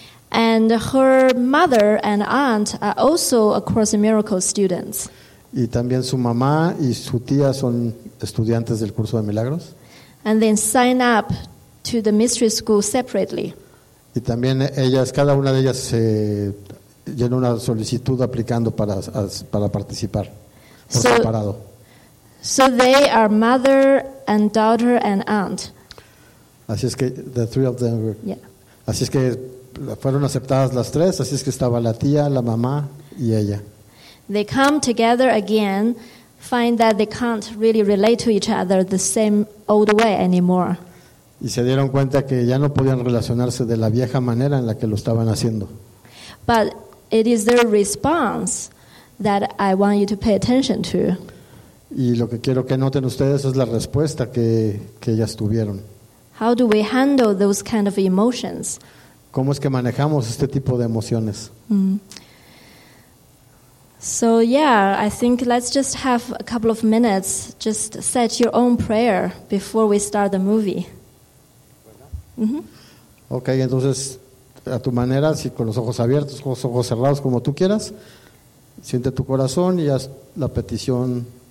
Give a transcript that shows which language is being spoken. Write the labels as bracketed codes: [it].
[en] And her mother and aunt are also A Course in Miracles students. [es] Y también su mamá y su tía son estudiantes del curso de milagros. [en] And then sign up to the mystery school separately. [es] Y también ellas, cada una de ellas se llenó una solicitud aplicando para participar por separado. [en] So they are mother and daughter and aunt. [es] Así es que [en] the three of them were. Yeah. [es] Así es que fueron aceptadas las tres, así es que estaba la tía, la mamá y ella. [en] They come together again, find that they can't really relate to each other the same old way anymore. [es] Y se dieron cuenta que ya no podían relacionarse de la vieja manera en la que lo estaban haciendo. [en] But it is their response that I want you to pay attention to. [es] Y lo que quiero que noten ustedes es la respuesta que ellas tuvieron. [en] How do we handle those kind of emotions? [es] ¿Cómo es que manejamos este tipo de emociones? [en] So yeah, I think let's just have a couple of minutes, just set your own prayer before we start the movie. [es] Okay, entonces a tu manera, si con los ojos abiertos, con los ojos cerrados, como tú quieras, siente tu corazón y haz la petición.